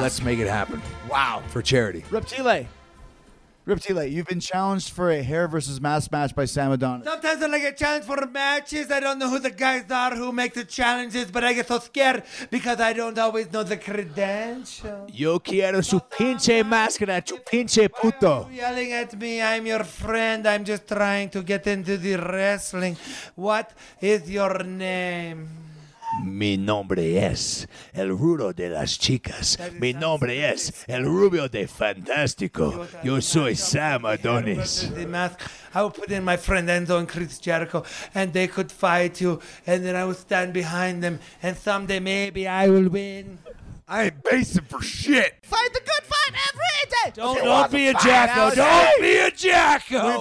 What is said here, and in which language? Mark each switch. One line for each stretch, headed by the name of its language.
English: Let's make it happen. Wow. For charity. Reptile. Rip T-Lay, you've been challenged for a hair versus mask match by Sam Adonis. Sometimes when I get challenged for matches, I don't know who the guys are who make the challenges, but I get so scared because I don't always know the credentials.
Spanish: Yo quiero su pinche máscara, tu pinche puto.
English: Why are you yelling at me? I'm your friend. I'm just trying to get into the wrestling. What is your name?
Spanish: Mi nombre es el rudo de las chicas. Mi nombre es el rubio de Fantástico. Yo soy Sam Adonis.
English: I will put in my friend Enzo and Chris Jericho, and they could fight you, and then I will stand behind them, and someday maybe I will win. I ain't basing for shit. Fight the good fight every day. Don't be a jacko. Don't be a jacko.